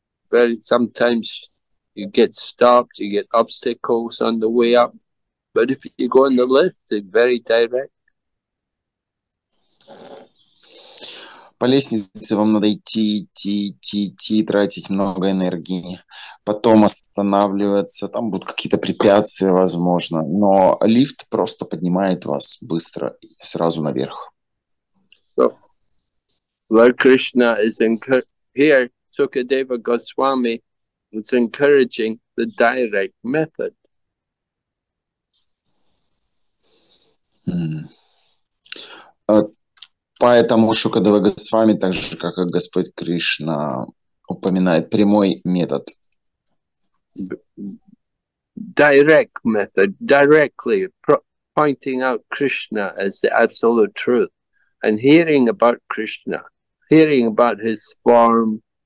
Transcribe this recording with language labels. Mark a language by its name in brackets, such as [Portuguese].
[English] Very, sometimes you get stopped, you get obstacles on the way up. But if you go on the lift, it's very direct. [Russian] По лестнице вам надо идти, тратить много энергии. Потом останавливаться, там будут какие-то препятствия, возможно. Но лифт просто поднимает вас быстро и сразу наверх. [English] So, Lord Krishna is here, Sukadeva Goswami is encouraging the direct method. [Russian] Поэтому Шукадева Госвами, так же, как и Господь Кришна, упоминает прямой метод. [English] Direct method, directly pointing out Krishna as the absolute truth and hearing about Krishna, hearing about his form,